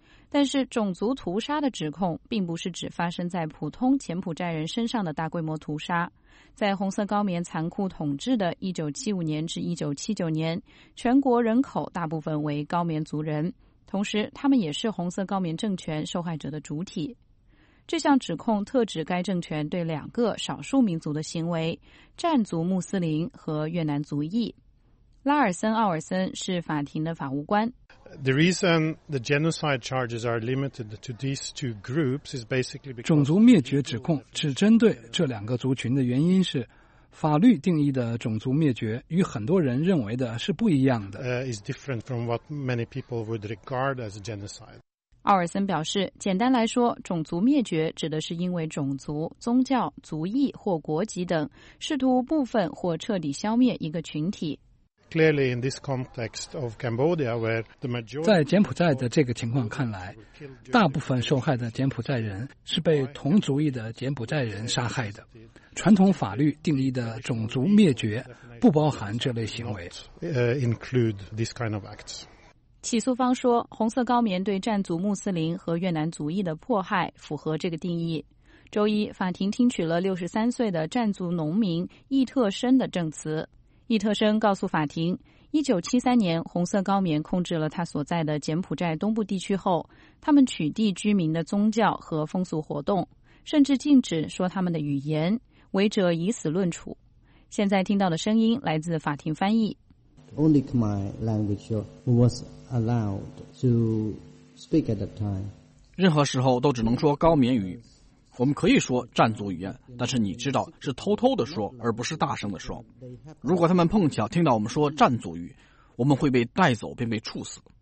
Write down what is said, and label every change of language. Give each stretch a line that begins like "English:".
Chinese: 但是种族屠杀的指控并不是只发生在普通柬埔寨人身上的大规模屠杀，在红色高棉残酷统治的1975年至1979年，全国人口大部分为高棉族人，同时他们也是红色高棉政权受害者的主体。这项指控特指该政权对两个少数民族的行为，占族穆斯林和越南族裔。拉尔森·奥尔森是法庭的法务官。
English: The reason the genocide charges are limited to these two groups is basically because
Chinese: 种族灭绝指控只针对这两个族群的原因是，法律定义的种族灭绝与很多人认为的是不一样的。
English: Is different from what many people would regard as a genocide.
Chinese: 奥尔森表示，简单来说，种族灭绝指的是因为种族、宗教、族裔或国籍等试图部分或彻底消灭一个群体。在柬埔寨的这个情况看来，大部分受害的柬埔寨人是被同族裔的柬埔寨人杀害的。传统法律定义的种族灭绝不包含这类行为。起诉方说，红色高棉对占族穆斯林和越南族裔的迫害符合这个定义。周一，法庭听取了63岁的占族农民易特生的证词。易特生告诉法庭，1973年红色高棉控制了他所在的柬埔寨东部地区后，他们取缔居民的宗教和风俗活动，甚至禁止说他们的语言，违者以死论处。现在听到的声音来自法庭翻译。
English: Only Khmer language was allowed to speak at that time.
Chinese: 任何时候都只能说高棉语，我们可以说占族语言，但是你知道是偷偷的说，而不是大声的说。如果他们碰巧听到我们说占族语，我们会被带走并被处死。